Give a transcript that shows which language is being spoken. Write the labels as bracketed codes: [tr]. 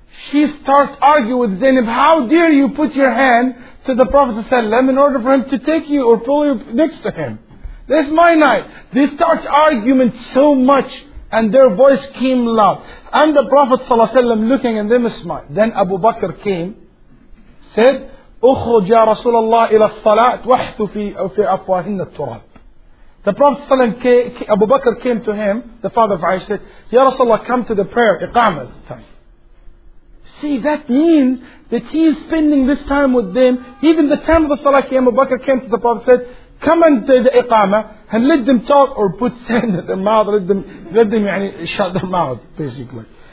[en] She starts arguing with Zainab, how dare you put your hand to the Prophet ﷺ in order for him to take you or pull you next to him? This is my night. They start arguing so much and their voice came loud. And the Prophet ﷺ looking at them smiled. [ar] Then Abu Bakr came, said, أخرج يا رسول الله إلى الصلاة وحث في أفواهن التراب. [en] The Prophet ﷺ, Abu Bakr came to him, the father of Aisha, said, Ya Rasulullah, come to the prayer, iqamah time. See, that means that he is spending this time with them. Even the time of the salah came, Abu Bakr came to the Prophet and said, come and do the iqamah and let them talk or put sand in their mouth, let them يعني, shut their mouth, basically.